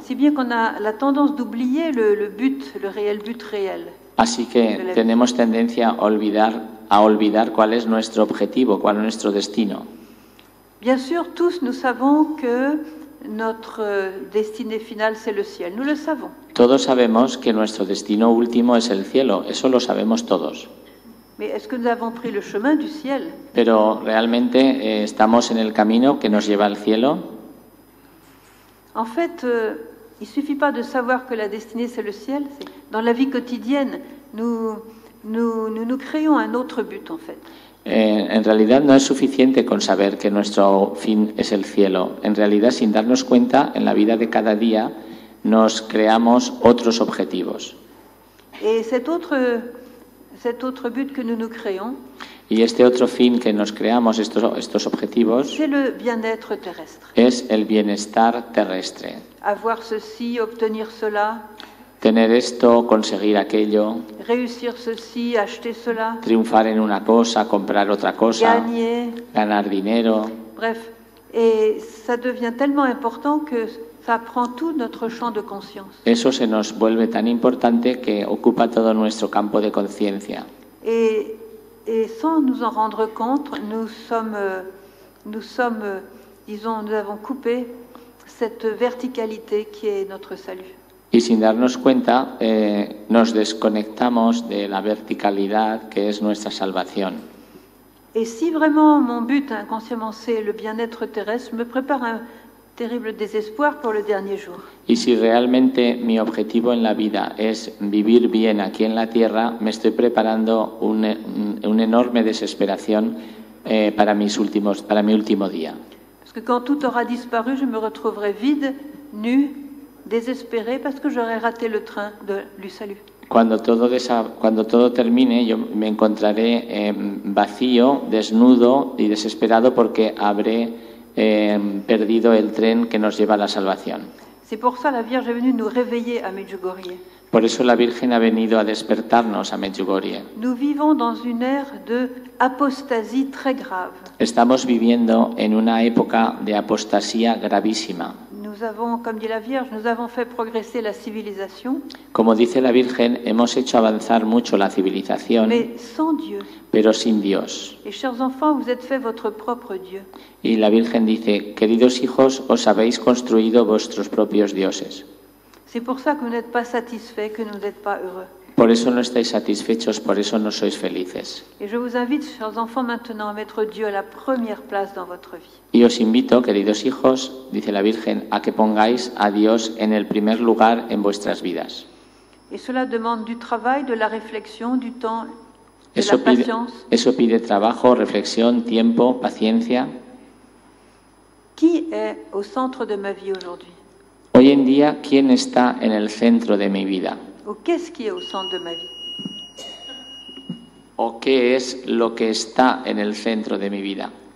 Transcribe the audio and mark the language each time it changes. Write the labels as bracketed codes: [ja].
[fr] Si bien qu'on a la tendance d'oublier le but, le réel but réel. [es] Así que tenemos tendencia a olvidar cuál es nuestro objetivo, cuál es nuestro destino. [fr] Bien sûr, tous nous savons que notre destinée finale c'est le ciel. Nous le savons. [es] Todos sabemos que nuestro destino último es el cielo. Eso lo sabemos todos. [fr] Mais est-ce que nous avons pris le chemin du ciel? [es] Pero realmente estamos en el camino que nos lleva al cielo? [fr] En fait, il suffit pas de savoir que la destinée c'est le ciel. Dans la vie quotidienne, nous créons un autre but en fait. [es] En realidad no es suficiente con saber que nuestro fin es el cielo. En realidad, sin darnos cuenta, en la vida de cada día nos creamos otros objetivos. [fr] Et cet autre but que nous créons. [es] Y este otro fin que nos creamos, estos objetivos, [fr] c'est le bien-être terrestre. [es] Es el bienestar terrestre. [fr] Avoir ceci, obtenir cela. [es] Tener esto, conseguir aquello. [fr] Réussir ceci, acheter cela. [es] Triunfar en una cosa, comprar otra cosa. [fr] Gagner. [es] Ganar dinero. [fr] Bref, et ça devient tellement important que ça prend tout notre champ de conscience. [es] Eso se nos vuelve tan importante que ocupa todo nuestro campo de conciencia. [fr] Et sans nous en rendre compte, nous avons coupé cette verticalité qui est notre salut. [es] Y sin darnos cuenta, nos desconectamos de la verticalidad que es nuestra salvación. [fr] Et si vraiment mon but inconsciemment c'est le bien-être terrestre, me prépare un terrible désespoir pour le dernier jour. [es] Y si realmente mi objetivo en la vida es vivir bien aquí en la tierra, me estoy preparando un enorme desesperación para mi último día. [fr] Parce que quand tout aura disparu, je me retrouverai vide, nu. Désespéré parce que j'aurais raté le train de lui salut. [es] Cuando todo termine, yo me encontraré vacío, desnudo y desesperado porque habré perdido el tren que nos lleva a la salvación. [fr] C'est pour ça la Vierge est venue nous réveiller à Medjugorje. [es] Por eso la Virgen ha venido a despertarnos a Medjugorje. [fr] Nous vivons dans une ère de apostasie très grave. [es] Estamos viviendo en una época de apostasía gravísima. [fr] Nous avons, comme dit la Vierge, nous avons fait progresser la civilisation. [es] Como dice la Virgen, hemos hecho avanzar mucho la civilización. [fr] Mais sans Dieu. [es] Pero sin Dios. [fr] Et chers enfants, vous êtes fait votre propre Dieu. [es] Y la Virgen dice, queridos hijos, os habéis construido vuestros propios dioses. [fr] C'est pour ça que vous n'êtes pas satisfaits, que vous n'êtes pas heureux. [es] Por eso no estáis satisfechos, por eso no sois felices. [fr] Et je vous invite, chers enfants, maintenant à mettre Dieu à la première place dans votre vie. [es] Y os invito, queridos hijos, dice la Virgen, a que pongáis a Dios en el primer lugar en vuestras vidas. [fr] Et cela demande du travail, de la réflexion, du temps, de [es] eso [fr] la patience. [es] Eso pide trabajo, reflexión, tiempo, paciencia. [fr] Qui est au centre de ma vie aujourd'hui? [es] Hoy en día, ¿quién está en el centro de mi vida? [fr] Ou qu'est-ce qui est au centre de ma vie? [es] O qué es lo que está en el centro de mi vida?